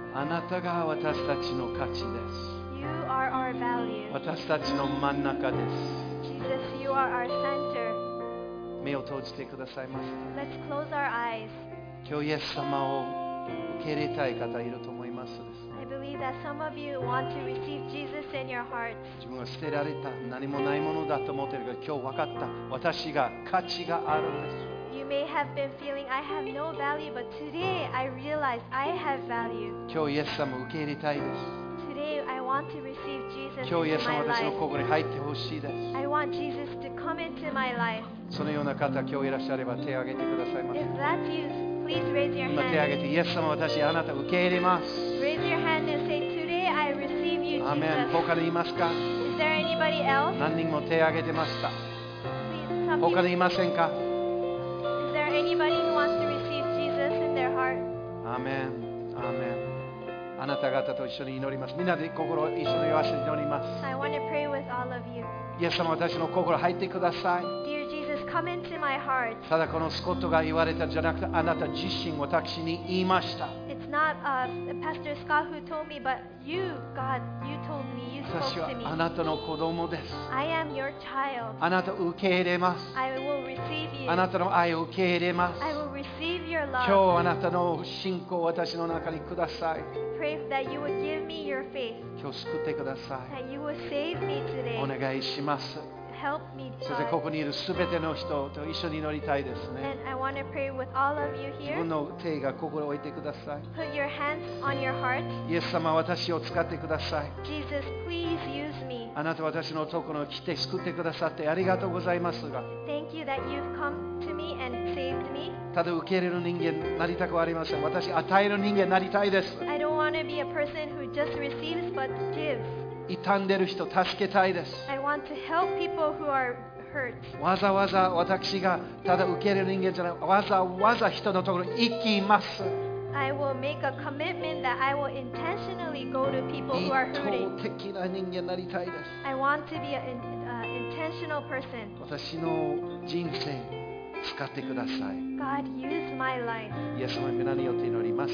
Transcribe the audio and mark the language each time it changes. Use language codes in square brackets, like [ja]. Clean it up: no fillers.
[ja] あなたが私たちの価値です。 [en] You are our value. [ja] 私たちの真ん中です。 [en] Jesus, you are our center. [ja] 目を閉じてくださいませ。 [en] Let's close our eyes. [ja] 今日イエス様を受け入れたい方いると思います。 [en] I believe that some of you want to receive Jesus in your hearts. [ja] 自分は捨てられた何もないものだと思っているが今日分かった私が価値があるんです。 [en] You may have been feeling I have no value, but today I realize I have value. [ja] 今日イエス様を受け入れたいです。 [en] Today I want to receive Jesus into my life. [ja] 今日イエス様私の心に入ってほしいです。 [en] I want Jesus to come into my life. [ja] そのような方今日いらっしゃれば手を挙げてくださいませ。 [en] If that's you, please raise your hand. [ja] 今手を挙げてイエス様私あなたを受け入れます。 [en] Raise your hand and say, today I receive you, Jesus. [ja] 他にいますか？ [en] Is there anybody else? [ja] 何人も手を挙げてました。 [en] Please, some people. [ja] 他にいませんか？ [en] Anybody who wants to receive Jesus in their heart. Amen. [ja] Amen. あなた方と一緒に祈ります。みんなで心を一緒に合わせて祈ります。イエス様、私の心入ってください。 [en] Dear Jesus, come into my heart. [ja] ただこのスコットが言われたじゃなくて、あなた自身私に言いました。 [en] It's not Pastor Scott who told me, but you, God, you told me, you spoke to me. [ja] 私はあなたの子供です。 [en] I am your child. [ja] あなたを受け入れます。 [en] I will receive you. [ja] あなたの愛を受け入れます。 [en] I will receive your love. [ja] 今日あなたの信仰を私の中にください。 [en] Pray that you will give me your faith. [ja] 今日救ってください。 [en] That you will save me today. [ja] お願いします。 [en] Help me, God. [ja] そしてここにいるすべての人と一緒に祈りたいですね。 [en] And I want to pray with all of you here. [ja] 自分の手が心を置いてください。 [en] Put your hands on your heart. [ja] イエス様、私を使ってください。 [en] Jesus, please use me. [ja] あなた私のところに来て救ってくださってありがとうございますが。 [en] Thank you that you've come to me and saved me. [ja] ただ受け入れる人間になりたくはありません。私、与える人間になりたいです。 [en] I don't want to be a person who just receives but gives. [ja] 傷んでる人助けたいです。 [en] I want to help people who are hurt. [ja] わざわざ私がただ受け入れる人間じゃない、わざわざ人のところに行きます。 [en] I will make a commitment that I will intentionally go to people who are hurting. [ja] 意図的な人間になりたいです。 [en] I want to be an intentional person. [ja] 私の人生使ってください。 [en] God, use my life. [ja] イエス様の皆によって祈ります。